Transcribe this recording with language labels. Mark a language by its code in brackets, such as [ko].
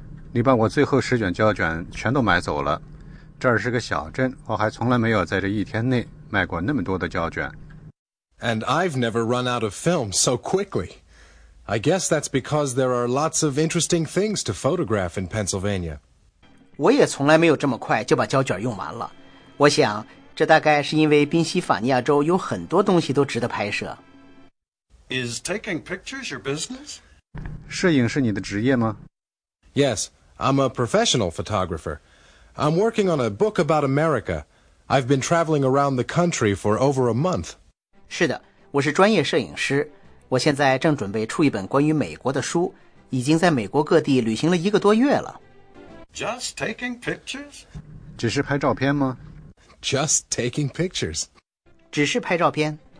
[zh] 你把我最后10卷胶卷全都买走了。这儿是个小镇，我还从来没有在这一天内卖过那么多的胶卷。 [en] And I've never run out of film so quickly. I guess that's because there are lots of interesting things to photograph in Pennsylvania. [zh] 我也从来没有这么快就把胶卷用完了。我想这大概是因为宾夕法尼亚州有很多东西都值得拍摄。 [en] Is taking pictures your business? [zh] 摄影是你的职业吗？ [en] Yes, I'm a professional photographer. I'm working on a book about America. I've been traveling around the country for over a month. [zh] 是的，我是专业摄影师。我现在正准备出一本关于美国的书，已经在美国各地旅行了一个多月了。 [en] Just taking pictures? [zh] 只是拍照片吗？ [en] Just taking pictures. [zh] 只是拍照片。